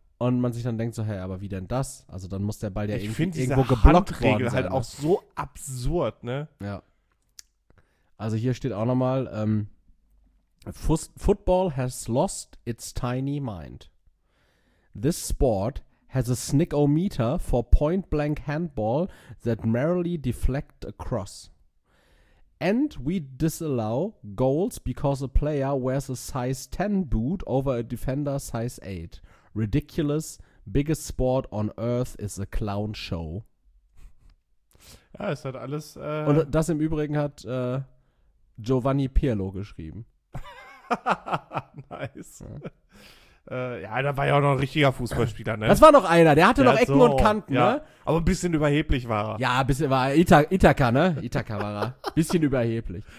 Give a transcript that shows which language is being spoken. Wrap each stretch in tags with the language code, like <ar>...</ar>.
<de>Und man sich dann denkt so, hey, aber wie denn das? Also dann muss der Ball ja irgendwo geblockt worden sein. Ich finde diese Handregel halt auch so absurd, ne? Ja. Also hier steht auch nochmal,</de> <en>Football has lost its tiny mind. This sport has a snick-o-meter for point-blank handball that merrily deflect across. And we disallow goals because a player wears a size 10 boot over a defender size 8. Ridiculous. Biggest sport on earth is a clown show.</en> <de>Ja, es hat alles... Und das im Übrigen hat Giovanni Pirlo geschrieben.</de> <en>Nice.</en> <de>Ja, da war ja auch noch ein richtiger Fußballspieler, ne? Das war noch einer, der hatte ja, noch Ecken so, und Kanten, ja, ne? Aber ein bisschen überheblich war er. Ja, ein bisschen war er Ithaka, ne? Ithaka war er. Bisschen überheblich.</de>